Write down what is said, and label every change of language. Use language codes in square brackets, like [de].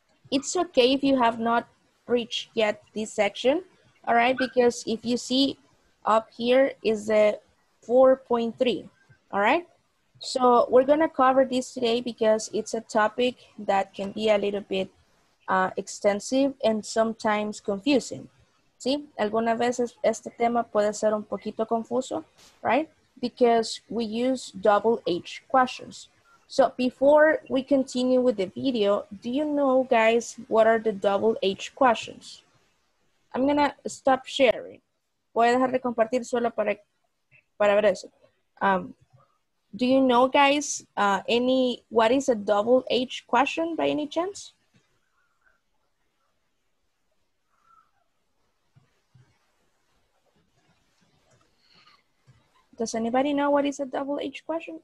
[en] It's okay if you have not reached yet this section, all right? Because if you see up here is the 4.3, all right? So we're going to cover this today because it's a topic that can be a little bit extensive and sometimes confusing. [es] ¿Sí? Algunas veces este tema puede ser un poquito confuso, right? [en] Because we use double H questions. So before we continue with the video, do you know, guys, what are the double H questions? I'm gonna stop sharing. [es] Voy a dejar de compartir solo para ver eso. [en] Do you know, guys, what is a double H question by any chance? Does anybody know what is a double H question?